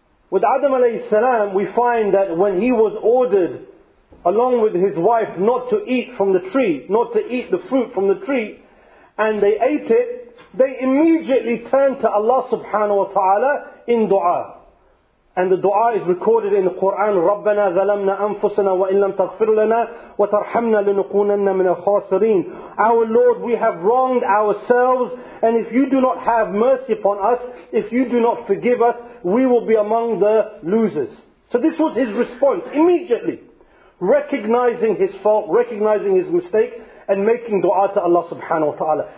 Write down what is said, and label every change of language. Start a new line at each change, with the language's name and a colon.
English: With Adam alayhi salam, we find that when he was ordered, along with his wife, not to eat from the tree, not to eat the fruit from the tree, and they ate it, they immediately turned to Allah subhanahu wa ta'ala in dua.
Arabic: And the dua is recorded in the Quran, رَبَّنَا ظَلَمْنَا أَنفُسَنَا وَإِنْ لَمْ تَغْفِرْ لَنَا وَتَرْحَمْنَا لِنُقُونَنَّ مِنَ الْخَاسِرِينَ.
English: Our Lord, we have wronged ourselves, and if you do not have mercy upon us, if you do not forgive us, we will be among the losers. So this was his response, immediately, recognizing his fault, recognizing his mistake, and making dua to Allah subhanahu wa ta'ala.